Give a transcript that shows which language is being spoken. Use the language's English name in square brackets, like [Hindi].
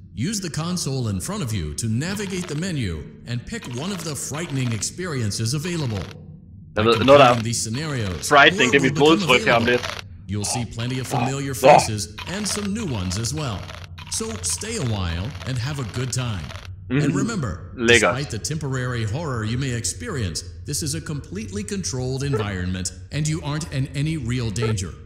[English] Use the console in front of you to navigate the menu and pick one of the frightening experiences available. [Danish] Frightening, det er mit blodtryk her om lidt. [English] You'll see plenty of familiar faces and some new ones as well. So stay a while and have a good time. And remember, despite the temporary horror you may experience, this is a completely controlled environment and you aren't in any real danger.